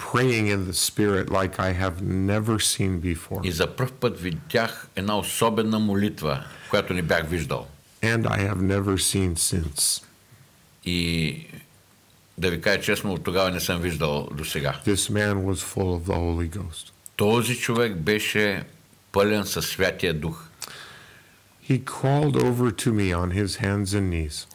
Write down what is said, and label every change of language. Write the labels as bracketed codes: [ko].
[en] Praying in the spirit like I have never seen before. [bg] И за пръв път видях една особена молитва, която не бях виждал. [en] And I have never seen since. [bg] И да ви кажа честно, от тогава не съм виждал до сега. [en] This man was full of the Holy Ghost. [bg] Този човек беше пълен със Святия Дух. [en] He crawled over to me on his hands and knees.